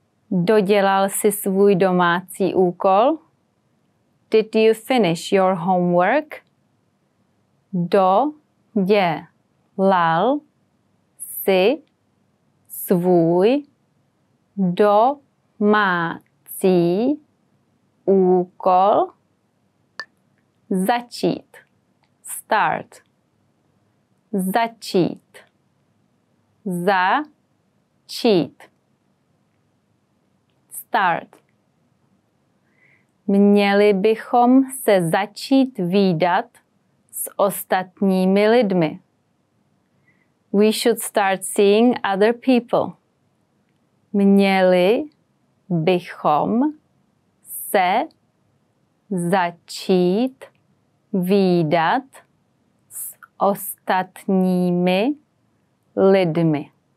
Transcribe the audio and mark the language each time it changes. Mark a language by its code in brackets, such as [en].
[cs] Dodělal jsi svůj domácí úkol? [en] Did you finish your homework? [cs] Dodělal jsi svůj domácí úkol? Začít. [en] Start. [cs] Začít. Začít. [en] Start. [cs] Měli bychom se začít vídat s ostatními lidmi. [en] We should start seeing other people. [cs] Měli bychom se začít vídat ostatními lidmi.